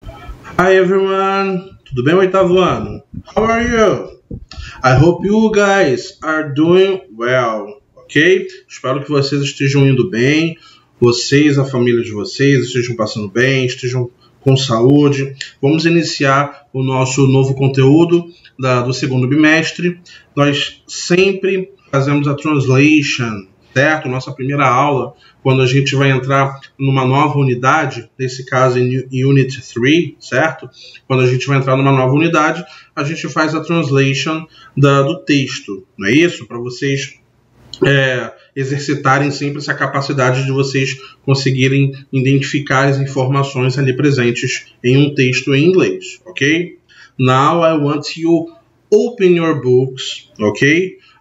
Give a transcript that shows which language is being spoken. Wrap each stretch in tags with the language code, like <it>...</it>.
<en>Hi everyone,</en> <pt>tudo bem, oitavo ano?</pt> <en>How are you? I hope you guys are doing well, ok?</en> <pt>Espero que vocês estejam indo bem, vocês, a família de vocês, estejam passando bem, estejam com saúde. Vamos iniciar o nosso novo conteúdo do segundo bimestre. Nós sempre fazemos a translation, certo? Nossa primeira aula, quando a gente vai entrar numa nova unidade, nesse caso em Unit 3, certo? Quando a gente vai entrar numa nova unidade, a gente faz a translation do texto, não é isso? Para vocês exercitarem sempre essa capacidade de vocês conseguirem identificar as informações ali presentes em um texto em inglês, ok?</pt> <en>Now I want you to open your books, ok?</en>